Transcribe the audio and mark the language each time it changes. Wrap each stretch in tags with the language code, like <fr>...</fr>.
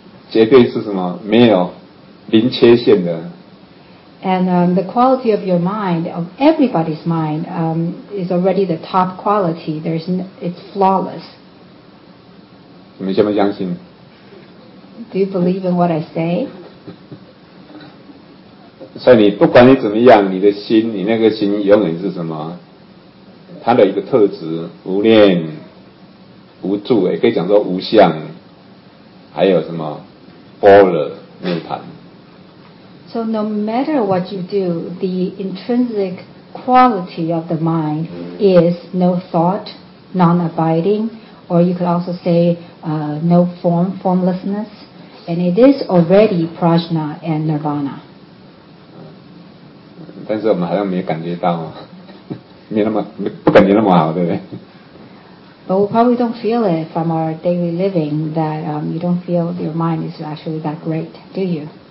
<zh>绝对是什么没有零缺陷的。</zh> <en>And the quality of your mind, of everybody's mind, is already the top quality. It's flawless.</en> <zh>你们相不相信</zh> <en>？Do you believe in what I say?</en> <zh>所以你不管你怎么样，你的心，你那个心永远是什么？它的一个特质，无念、无住，也可以讲说无相，还有什么波罗涅槃。</zh> <en>So no matter what you do, the intrinsic quality of the mind is no thought, non-abiding, or you could also say no form, formlessness, and it is already prajna and nirvana.</en> <zh>但是我们好像没感觉到，没那么不感觉那么好，对不对？</zh> <en>But we probably don't feel it from our daily living that you don't feel your mind is actually that great, do you?</en>